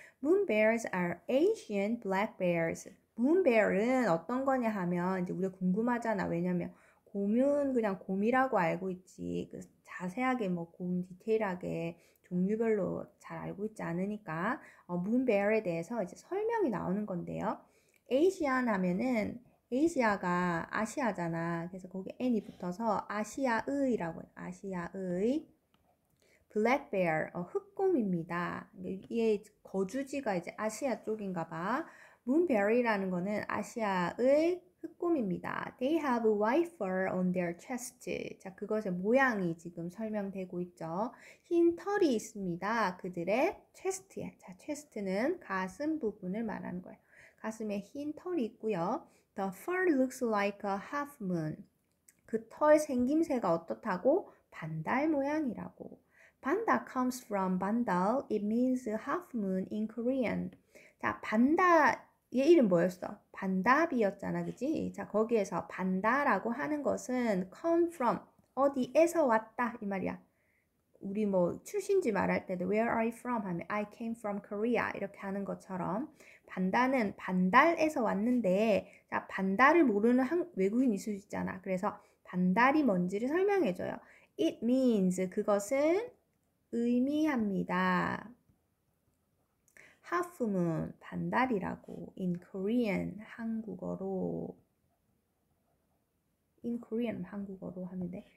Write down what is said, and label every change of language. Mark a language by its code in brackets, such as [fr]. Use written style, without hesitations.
[en] Moon bears are Asian black bears. [ko] Moon bear은 어떤 거냐 하면 이제 우리가 궁금하잖아. 왜냐면 곰은 그냥 곰이라고 알고 있지. 그 자세하게 뭐곰 디테일하게 종류별로 잘 알고 있지 않으니까 moon bear에 대해서 이제 설명이 나오는 건데요. Asian 하면은 아시아가 아시아잖아. 그래서 거기 N이 붙어서 아시아의라고 해요. 아시아의 블랙 베어, 흑곰입니다. 이게 거주지가 이제 아시아 쪽인가 봐. 문베리라는 거는 아시아의 흑곰입니다. [en] They have white fur on their chest. [ko] 자, 그것의 모양이 지금 설명되고 있죠. 흰 털이 있습니다. 그들의 체스트에. 자, 체스트는 가슴 부분을 말하는 거예요. 가슴에 흰 털이 있고요. [en] The fur looks like a half moon. [ko] 그털 생김새가 어떻다고? 반달 모양이라고. [en] Panda comes from Bandal. It means half moon in Korean. [ko] 자, 반달 얘 이름 뭐였어? 반다비였잖아, 그지? 자, 거기에서 반다라고 하는 것은 [en] come from, [ko] 어디에서 왔다, 이 말이야. 우리 뭐 출신지 말할 때도 [en] where are you from [ko] 하면 [en] I came from Korea [ko] 이렇게 하는 것처럼 반다는 반달에서 왔는데 자 반달을 모르는 외국인이 있을 수 있잖아. 그래서 반달이 뭔지를 설명해줘요. [en] It means [ko] 그것은 의미합니다. [en] Half moon [ko] 반달이라고 [en] in Korean 한국어로 in Korean [ko] 한국어로 하면 돼.